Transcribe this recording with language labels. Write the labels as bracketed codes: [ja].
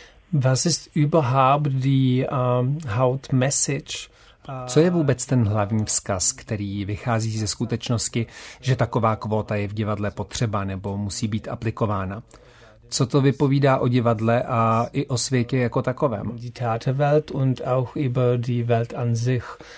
[de] Was ist überhaupt die Hauptmessage? [cs] Co je vůbec ten hlavní vzkaz, který vychází ze skutečnosti, že taková kvóta je v divadle potřeba nebo musí být aplikována? Co to vypovídá o divadle a i o světě jako takovém? [de] Die Theaterwelt und auch über die Welt an sich.